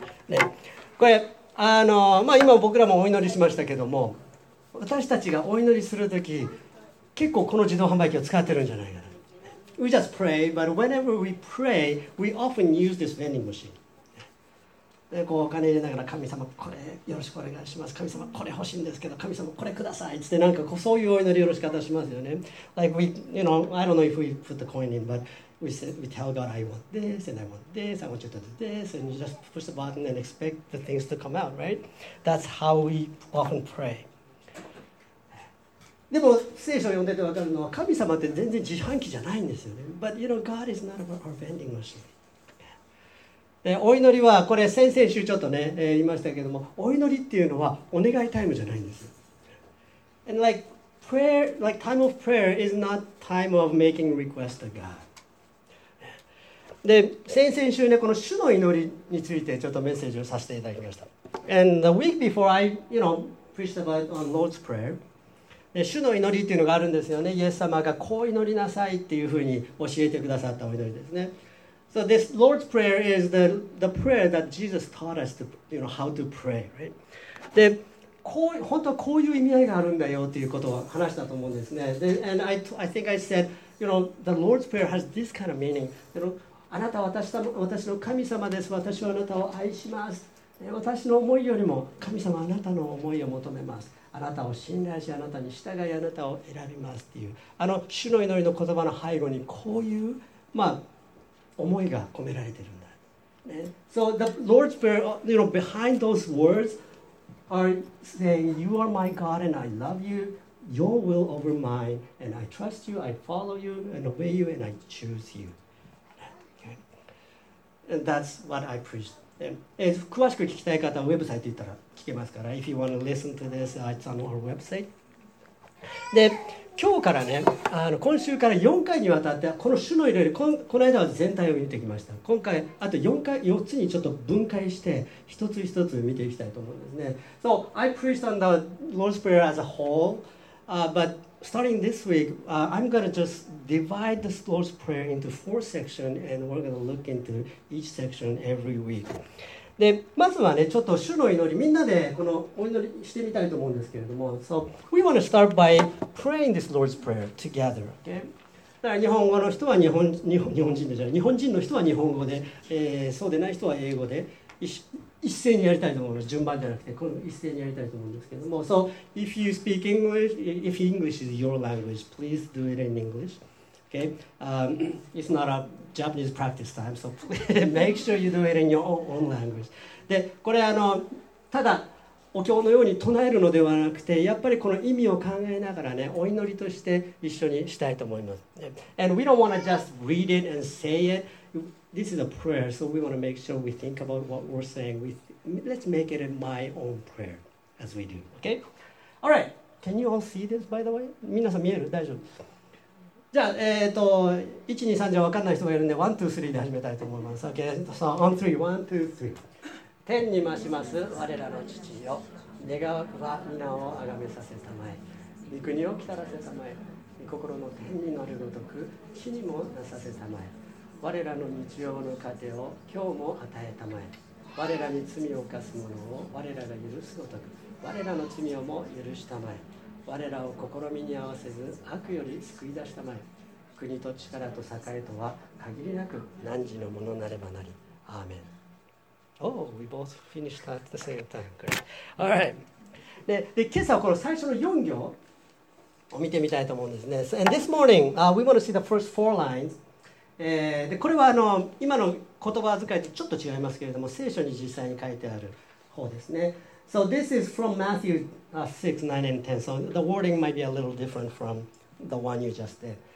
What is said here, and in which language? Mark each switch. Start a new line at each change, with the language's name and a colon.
Japanese: ね、これ、まあ、今僕らもお祈りしましたけども、私たちがお祈りするとき、結構この自動販売機を使ってるんじゃないかな。
English: We just pray, but whenever we pray, we often use this vending machine.
Japanese: で、こうお金入れながら、神様、これよろしくお願いします。神様、これ欲しいんですけど、神様、これください。つって、なんかこうそういうお祈りよろし方しますよね。
English: Like, you know, I don't know if we put the coin in, but we tell God, I want this, and I want this, I want you to do this, and you just push the button and expect the things to come out, right? That's how we often pray.
Japanese: でも、聖書を読んでて分かるのは、神様って全然自販機じゃないんですよね。
English: But, you know, God is not our vending machine.
Japanese: お祈りはこれ先々週ちょっとね、言いましたけども、お祈りっていうのはお願いタイムじゃないんです。
English: And like prayer, like time of prayer is not time of making request to God.
Japanese: で、先々週ね、この主の祈りについてちょっとメッセージをさせていただきました。
English: And the week before I, you know, preached about on Lord's Prayer.
Japanese: 主の祈りっていうのがあるんですよね。イエス様がこう祈りなさいっていうふうに教えてくださったお祈りですね。
English: So this Lord's Prayer is the prayer that Jesus taught us to, you know, how to pray, right?
Japanese: で、こう、本当はこういう意味合いがあるんだよっていうことを話したと思うんですね。で、
English: And I think I said, you know, the Lord's Prayer has this kind of meaning. You know,
Japanese: あなたは私の神様です。私はあなたを愛します。私の思いよりも神様あなたの思いを求めます。あなたを信頼し、あなたに従い、あなたを選びますっていう、あの主の祈りの言葉の背後にこういう、まあ、思いが込められているんだ、ね。
English: So the Lord's Prayer, you know, behind those words are saying, You are my God and I love you, your will over mine, and I trust you, I follow you, and obey you, and I choose you. And that's what I preached.
Japanese: 詳しく聞きたい方はウェブサイト行ったら聞けますから。
English: If you want to listen to this, it's on our website.
Japanese: で、今日からね、あの今週から4回にわたってこの主の祈り、この間は全体を見てきました。今回あと4回、4つにちょっと分解して一つ一つ見ていきたいと思うんですね。
English: So I preached on the Lord's Prayer as a whole, but starting this week, I'm gonna just divide the Lord's Prayer into four sections, and we're gonna look into each section every week.
Japanese: で、まずはね、ちょっと主の祈り、みんなでこのお祈りしてみたいと思うんですけれども、
English: So we want to start by praying this Lord's Prayer together. Okay?
Japanese: だから日本語の人は日本人でじゃない、日本人の人は日本語で、そうでない人は英語で。一斉にやりたいと思うの、順番じゃなくて、この一斉にやりたいと思うんですけども、
English: So if you speak English, if English is your language, please do it in English. Okay? It's not a Japanese practice time, so make sure you do it in your own language.
Japanese: で、これあのただお経のように唱えるのではなくて、やっぱりこの意味を考えながらね、お祈りとして一緒にしたいと思います。
English: And we don't want to just read it and say it. This is a prayer, so we want to make sure we think about what we're saying. Let's make it my own prayer as we do. Okay? All right. Can you all see this, by the way?
Japanese: 皆さん見える?大丈夫? じゃあ、1、2、3じゃ分かんない人がいるんで、1、2、3で始めたいと思います。
English: Okay? So, on 3. 1, 2, 3.
Japanese: 天に増します我らの父よ。願わくば皆をあがめさせたまえ。御国をきたらせたまえ。御心の天に乗るごとく、地にもなさせたまえ。我らの日常の糧を今日も与えたまえ。我らに罪を犯す者を我らが許すごとく、我らの罪をも許したまえ。我らを試みに合わせず悪より救い出したまえ。国と力と栄とは限りなく何時のものなればなり。アーメン。
English: Oh, we both finished at the same time. Great. All right.
Japanese: で、今朝はこの最初の4行を見てみたいと思うんですね。
English: So, and this morning, we want to see the first four lines.
Japanese: でこれはあの今の言葉遣いとちょっと違いますけれども聖書に実際に書いてある方ですね。
English: So this is from Matthew 6, 9 and 10. So the wording might be a little different from the one you just did.